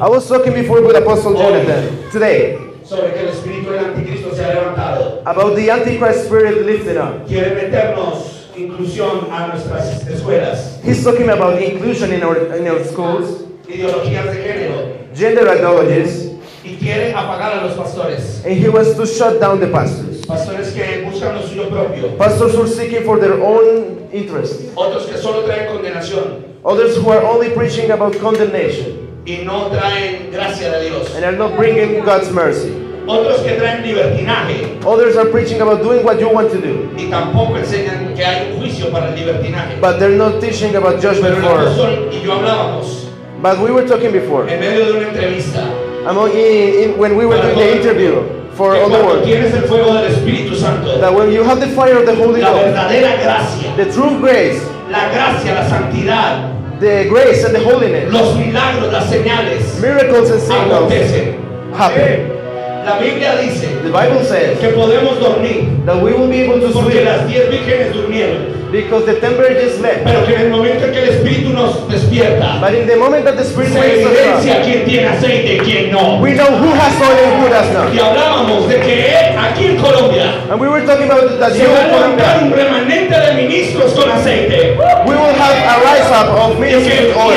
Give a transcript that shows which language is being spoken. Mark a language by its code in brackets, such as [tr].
[en] I was talking before with Apostle Jonathan today. [es] Sobre que el espíritu del anticristo se ha levantado. [en] About the Antichrist spirit lifting up. [es] Quiere meternos inclusión a nuestras escuelas. [en] He's talking about inclusion in our schools. [es] Ideologías de género. [en] Gender ideologies. [es] Y quiere apagar a los pastores. [en] And he wants to shut down the pastors. [es] Pastores que buscan lo suyo propio. [en] Pastors who are seeking for their own interest. [es] Otros que solo traen condenación. [en] Others who are only preaching about condemnation. [es] Y no traen gracia de Dios. [en] And are not bringing God's mercy. [es] Otros que traen libertinaje. [en] Others are preaching about doing what you want to do. [es] Y tampoco enseñan que hay juicio para el libertinaje. [en] But they're not teaching about judgment [es] pero [en] for. [es] Pastor y yo hablábamos. [en] But we were talking before. [es] En medio de una entrevista. [en] Among when we were doing the interview for all the world, that when you have the fire of the Holy Ghost, the true grace, [es] la gracia, la santidad, [en] the grace and the holiness, [es] los milagros, las señales, [en] miracles and signals happen. [es] La Biblia dice, [en] the Bible says [es] que podemos dormir, [en] that we will be able to sleep [es] las 10 vírgenes durmieron. [en] Because the temple just left. [es] Pero que en el momento que el Espíritu nos despierta, [en] but in the moment that the Spirit [es] se evidencia [en] wakes us up, [es] quién tiene aceite y quién no. [en] We know who has oil and who does not. [es] Y hablábamos de que aquí en Colombia, [en] and we were talking about that [es] se va a levantar un remanente de ministros con aceite. [en] We will have a rise up of ministers with oil.